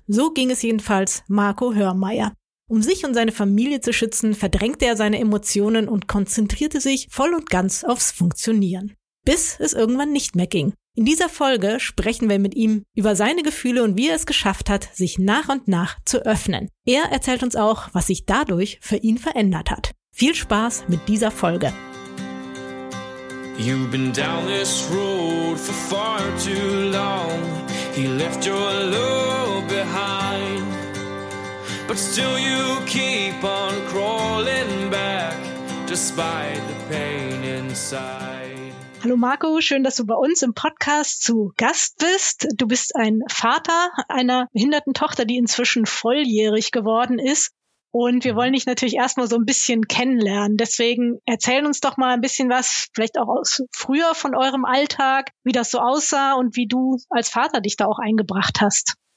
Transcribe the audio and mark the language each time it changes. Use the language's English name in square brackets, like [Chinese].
[German] So ging es jedenfalls Marco Hörmeier. Um sich und seine Familie zu schützen, verdrängte er seine Emotionen und konzentrierte sich voll und ganz aufs Funktionieren. Bis es irgendwann nicht mehr ging. In dieser Folge sprechen wir mit ihm über seine Gefühle und wie er es geschafft hat, sich nach und nach zu öffnen. Er erzählt uns auch, was sich dadurch für ihn verändert hat. Viel Spaß mit dieser Folge. [English] You've been down this road for far too long. He left your love behind. But still you keep on crawling back, despite the pain inside. [German] Hallo Marco, schön, dass du bei uns im Podcast zu Gast bist. Du bist ein Vater einer behinderten Tochter, die inzwischen volljährig geworden ist. Und wir wollen dich natürlich erstmal so ein bisschen kennenlernen. Deswegen erzähl uns doch mal ein bisschen was, vielleicht auch aus früher von eurem Alltag, wie das so aussah und wie du als Vater dich da auch eingebracht hast.